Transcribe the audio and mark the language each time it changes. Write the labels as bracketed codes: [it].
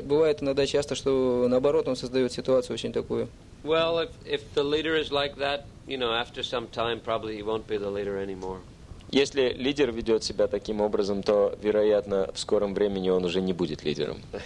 [ru] Бывает иногда часто, что наоборот, он создает ситуацию очень такую. [en] Well, if the leader is like that, you know, after some time, probably he won't be the leader anymore. [ru] Если лидер ведет себя таким образом, то, вероятно, в скором времени он уже не будет лидером.